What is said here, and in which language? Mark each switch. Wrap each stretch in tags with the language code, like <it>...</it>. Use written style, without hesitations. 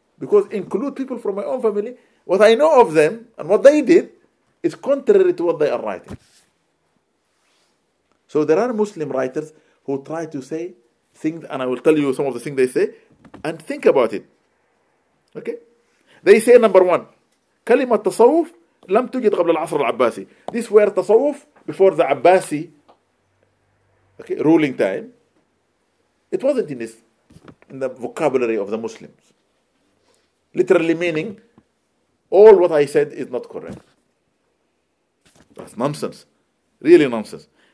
<en>Because include people from my own family, what I know of them and what they did is contrary to what they are writing. So there are Muslim writers who try to say things, and I will tell you some of the things they say, and think about it. Okay? They say, number one,</en> <ar>كلمة تصوف لم تجد قبل العصر العباسي.</ar> <en>This were tasawuf before the Abbasi, okay, ruling time. It wasn't in this, in the vocabulary of the Muslims. Literally meaning, all what I said is not correct. That's nonsense. Really nonsense.</en>